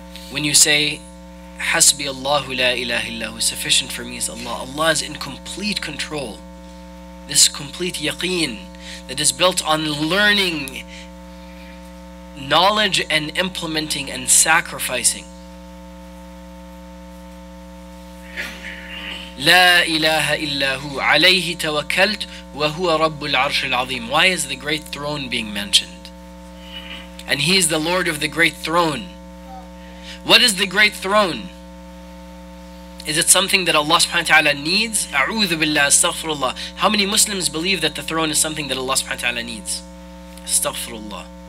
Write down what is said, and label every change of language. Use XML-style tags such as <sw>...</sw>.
<en>When you say,</en> <ar>حسبي الله لا إله إلا هو,</ar> <en>sufficient for me is Allah. Allah is in complete control. This complete yaqeen that is built on learning knowledge and implementing and sacrificing.</en> <ar>لا إله إلا هو عليه توكلت وهو رب العرش العظيم.</ar> <en>Why is the great throne being mentioned? And He is the Lord of the great throne. What is the great throne? Is it something that Allah subhanahu wa ta'ala needs? A'udhu billah, astaghfirullah. How many Muslims believe that the throne is something that Allah subhanahu wa ta'ala needs? Astaghfirullah.</en>